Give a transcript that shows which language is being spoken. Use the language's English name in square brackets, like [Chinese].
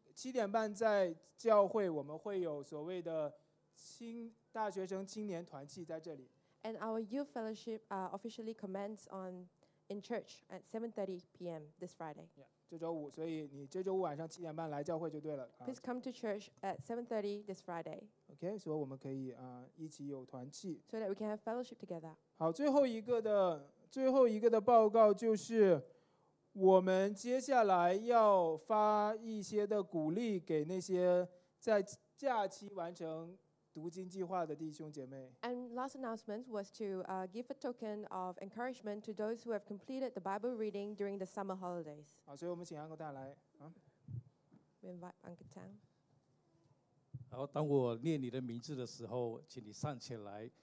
[Chinese] 7:30在教会，我们会有所谓的大学生青年团契在这里。 [English] And our youth fellowship officially commence in church at 7:30 p.m. this Friday。 [Chinese] Yeah， 这周五，所以你这周五晚上7:30来教会就对了。 [English] Please come to church at 7:30 this Friday。 [Chinese] Okay， 所以我们可以一起有团契。 [English] So that we can have fellowship together。 [Chinese] 好，最后一个的报告就是，我们接下来要发一些的鼓励给那些在假期完成读经计划的弟兄姐妹。 [English] And last announcement was to give a token of encouragement to those who have completed the Bible reading during the summer holidays. [Chinese] 好，所以我们请 Uncle Tang 来。 [English] We invite Uncle Tang. [Chinese] 好，当我念你的名字的时候，请你上前来。